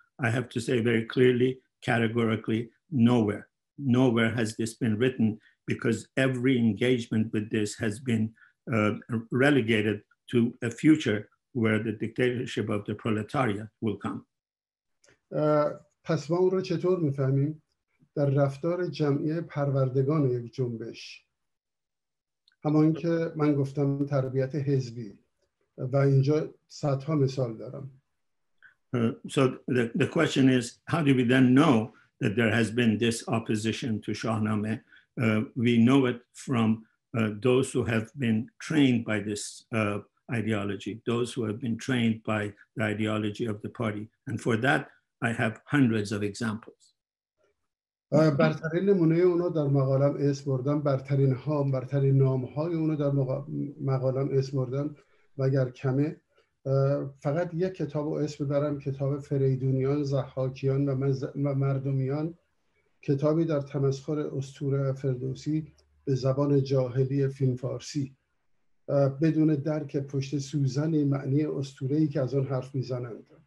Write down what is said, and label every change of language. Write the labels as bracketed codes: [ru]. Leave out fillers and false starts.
[en] I have to say very clearly, categorically, nowhere. Nowhere has this been written because every engagement with this has been relegated to a future where the dictatorship of the proletariat will come. [fa] پس ما اون رو چطور میفهمیم؟ در رفتار جمعی پروردگان یک جنبش. همان که من گفتم تربیت حزبی. و اینجا صدها مثال دارم. [en] So the question is, how do we then know that there has been this opposition to Shahnameh? We know it from those who have been trained by this ideology, those who have been trained by the ideology of the party. And for that, I have hundreds of examples. [fa] برترین نمونه اونو در مقالم اسم بردم برترین ها برترین نام های اونو در مقالم اسم بردم و اگر کمه فقط یک کتاب رو اسم ببرم کتاب فریدونیان ضحاکیان و مردمیان کتابی در تمسخر اسطوره فردوسی به زبان جاهلی فیلم فارسی بدون درک پشت سوزن معنی اسطوره ای که از اون حرف میزنند